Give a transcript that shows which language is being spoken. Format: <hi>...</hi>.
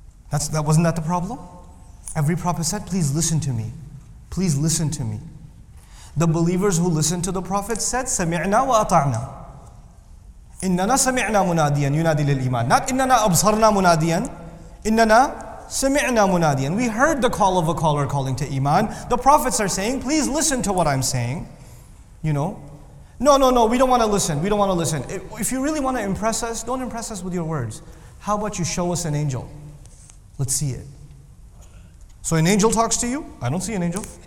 <en>Wasn't that the problem? Every prophet said, please listen to me. Please listen to me. The believers who listened to the prophet said,</en> <ar>سَمِعْنَا وَأَطَعْنَا. إِنَّنَا سَمِعْنَا مُنَادِيًا يُنَادِي لِلْإِيمَانِ.</ar> <en>Not</en> <ar>إِنَّنَا أَبْصَرْنَا مُنَادِيًا. إِنَّنَا سَمِعْنَا مُنَادِيًا.</ar> <en>We heard the call of a caller calling to Iman. The prophets are saying, please listen to what I'm saying. You know? No, we don't want to listen. If you really want to impress us, don't impress us with your words. How about you show us an angel? Let's see it. So an angel talks to you? I don't see an angel.</en>